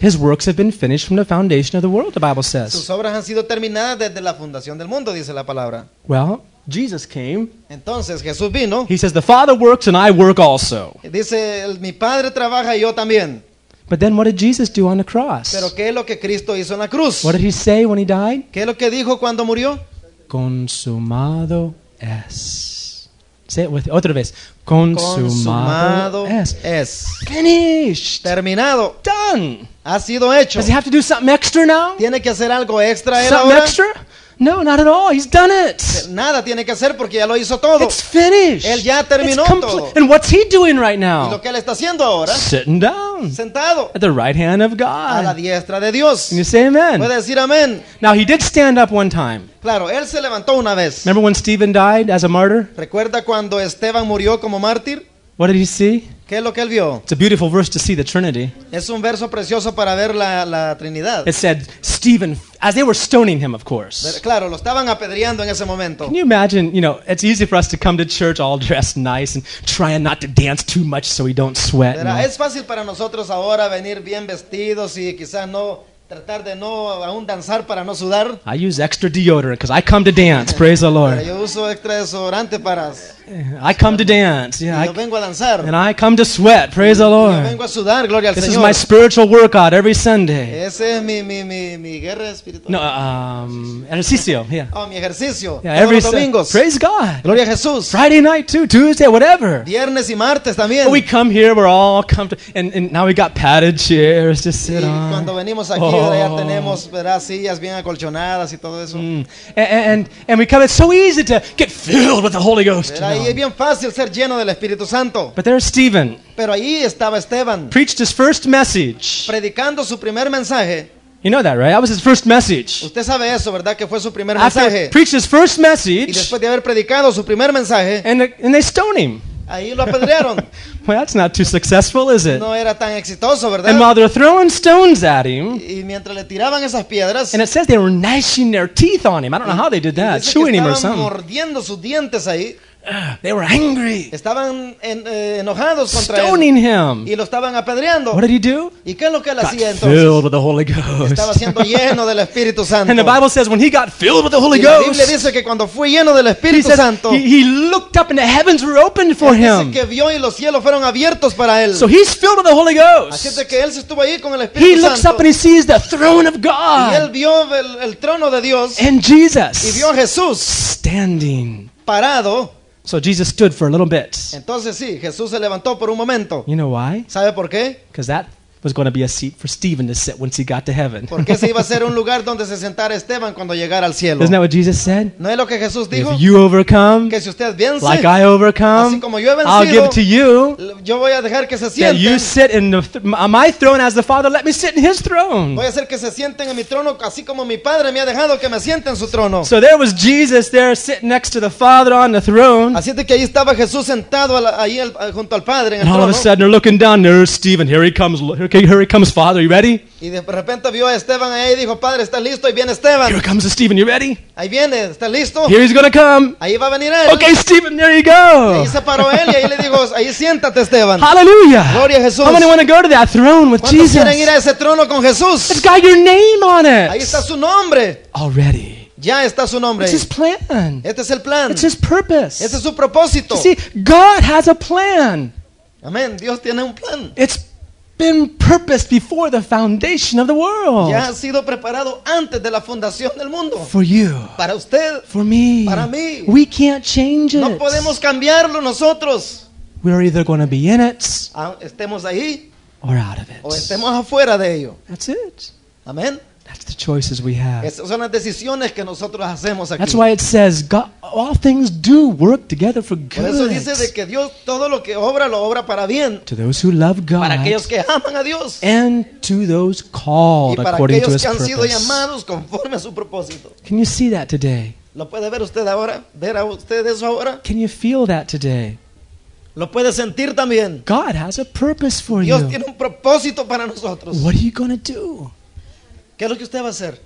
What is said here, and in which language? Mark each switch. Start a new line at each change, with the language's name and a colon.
English: His works have been finished from the foundation of the world, the Bible says.
Spanish: Sus obras han sido terminadas desde la fundación del mundo, dice la palabra.
English: Well, Jesus came.
Spanish: Entonces Jesús vino.
English: He says, "The Father works, and I work also."
Spanish: Dice, mi padre trabaja y yo también.
English: But then what did Jesus do on the cross?
Spanish: ¿Pero qué es lo que Cristo hizo en la cruz?
English: What did He say when He died?
Spanish: ¿Qué es lo que dijo cuando murió? Consumado es.
English: Say it with me.
Spanish: Otra vez. Consumado, consumado es.
English: Finished.
Spanish: Terminado.
English: Done.
Spanish: Ha sido hecho.
English: Does he have to do something extra now?
Spanish: Tiene que hacer algo extra
English: ahora. Something extra? No, not at all. He's done it.
Spanish: Nada tiene que hacer porque ya lo hizo todo.
English: It's finished.
Spanish: Él ya terminó todo.
English: And what's he doing right now?
Spanish: ¿Y lo que él está haciendo ahora?
English: Sitting down.
Spanish: Sentado.
English: At the right hand of God.
Spanish: A la diestra de Dios.
English: Can you say amen?
Spanish: ¿Puede decir amén?
English: Now he did stand up one time.
Spanish: Claro, él se levantó una vez.
English: Remember when Stephen died as a martyr?
Spanish: ¿Recuerda cuando Esteban murió como mártir?
English: What did he see?
Spanish: ¿Qué es lo que él vio?
English: It's a beautiful verse to see the Trinity.
Spanish: Es un verso precioso para ver la Trinidad.
English: It said, Stephen, as they were stoning him, of course.
Spanish: Claro, lo estaban apedreando en ese momento.
English: Can you imagine, you know, it's easy for us to come to church all dressed nice and trying not to dance too much so we don't sweat.
Spanish: Pero es fácil para nosotros ahora venir bien vestidos y quizás no tratar de no aún danzar para no sudar.
English: I use extra deodorant because I come to dance, praise the Lord.
Spanish: Yo uso extra desodorante para...
English: I come to dance, yeah.
Spanish: Yo vengo a danzar.
English: And I come to sweat, praise the Lord.
Spanish: Yo vengo a sudar, gloria al
English: this
Spanish: Señor.
English: Is my spiritual workout every Sunday.
Spanish: Ese es mi guerra espiritual. No, ejercicio, yeah. Oh, mi ejercicio.
English: Yeah,
Spanish: todos los domingos.
English: Praise God.
Spanish: Gloria a Jesús.
English: Friday night too, Tuesday, whatever.
Spanish: Viernes y martes también.
English: But we come here, we're all comfortable, and now we got padded chairs to sit
Spanish: y
English: on.
Spanish: Cuando venimos aquí, oh. Ya tenemos, ¿verdad? Sillas bien acolchonadas y todo eso. Mm.
English: And we come, it's so easy to get filled with the Holy Ghost.
Spanish: Y es bien fácil ser lleno del Espíritu Santo.
English: But there's Stephen.
Spanish: Pero ahí estaba Esteban.
English: Preached his first message.
Spanish: Predicando su primer mensaje.
English: You know that, right? That was his first message.
Spanish: Usted sabe eso, ¿verdad? Que fue su primer
English: After
Spanish: mensaje.
English: Preached his first message.
Spanish: Y después de haber predicado su primer mensaje.
English: And they stoned him.
Spanish: Ahí lo apedrearon.
English: Well, that's not too successful, is it?
Spanish: No era tan exitoso, ¿verdad?
English: And while they're throwing stones at him,
Spanish: y mientras le tiraban esas piedras,
English: and it says they were gnashing their teeth on him. I don't know how they did that. Chewing him or something.
Spanish: Estaban mordiendo sus dientes ahí.
English: They were angry.
Spanish: Estaban enojados contra él.
English: Stoning him.
Spanish: Y lo estaban apedreando.
English: What did he do?
Spanish: ¿Y qué es lo que él
English: got
Spanish: hacía entonces?
English: Filled with the Holy Ghost.
Spanish: Estaba siendo lleno del Espíritu Santo.
English: And the Bible says when he got filled with the Holy Ghost.
Spanish: Y la Biblia dice que cuando fue lleno del Espíritu Santo.
English: He looked up and the heavens were opened for him.
Spanish: Dice que vio y los cielos fueron abiertos para él.
English: So he's filled with the Holy Ghost.
Spanish: Así es que él se estuvo ahí con el Espíritu
English: he
Spanish: Santo.
English: He looks up and he sees the throne of God.
Spanish: Y él vio el trono de Dios.
English: And Jesus.
Spanish: Y vio a Jesús.
English: Standing.
Spanish: Parado.
English: So Jesus stood for a little bit.
Spanish: Entonces sí, Jesús se levantó por un momento.
English: You know why?
Spanish: ¿Sabe por qué?
English: Because that was going to be a seat for Stephen to sit once he got to heaven.
Spanish: Porque ese iba a ser un lugar donde se sentara Esteban cuando llegara al cielo.
English: Isn't that what Jesus said?
Spanish: ¿No es lo que Jesús dijo?
English: If you overcome,
Spanish: que si usted vence,
English: like I overcome,
Spanish: así como yo he vencido,
English: I'll give it to you.
Spanish: Yo voy a dejar que se sienten.
English: That you sit in my throne as the Father let me sit in His throne.
Spanish: Voy a hacer que se sienten en mi trono así como mi Padre me ha dejado que me siente en su trono.
English: So there was Jesus there sitting next to the Father on the throne.
Spanish: Así es que ahí estaba Jesús sentado ahí junto al Padre en el
English: and
Spanish: trono.
English: All of a sudden they're looking down. There's Stephen. Here he comes. Okay, here he comes, Father. You ready?
Spanish: Y de repente vio a Esteban ahí y dijo, Padre, ¿estás listo? Ahí viene Esteban.
English: Here comes Stephen. You ready?
Spanish: Ahí viene. ¿Estás listo?
English: Here he's gonna come.
Spanish: Ahí va a venir él.
English: Okay, Stephen, there you go.
Spanish: Y ahí se paró él y ahí le dijo, ahí siéntate, Esteban.
English: Hallelujah.
Spanish: Gloria a Jesús.
English: How many want to go to that throne with Jesus?
Spanish: ¿Cuántos quieren ir a ese trono con Jesús?
English: It's got your name on it.
Spanish: Ahí está su nombre.
English: Already.
Spanish: Ya está su nombre.
English: It's his plan.
Spanish: Este es el plan.
English: It's his purpose.
Spanish: Este es su propósito.
English: You see, God has a plan.
Spanish: Amén. Dios tiene un plan.
English: It's been purposed before the foundation of the world.
Spanish: Ya ha sido preparado antes de la fundación del mundo.
English: For you.
Spanish: Para usted.
English: For me.
Spanish: Para mí.
English: We can't change it.
Spanish: No podemos cambiarlo nosotros.
English: We're either going to be in it.
Spanish: Estemos ahí.
English: Or out of it.
Spanish: O estemos afuera de ello.
English: That's it. Amen. That's the choices we have.
Spanish: Esas son las decisiones que nosotros hacemos aquí.
English: That's why it says God, all things do work together for good.
Spanish: Por eso dice de que Dios todo lo obra para bien.
English: To those who love God.
Spanish: Para aquellos que aman a Dios.
English: And to those called according to His purpose.
Spanish: Y para aquellos que han sido llamados conforme a su propósito.
English: Can you see that today?
Spanish: ¿Lo puede ver usted ahora? ¿Ver a usted eso ahora?
English: Can you feel that today?
Spanish: Lo puede sentir también.
English: God has a purpose for
Spanish: Dios
English: you.
Spanish: Dios tiene un propósito para nosotros.
English: What are you going to do?
Spanish: ¿Qué es lo que usted va a hacer?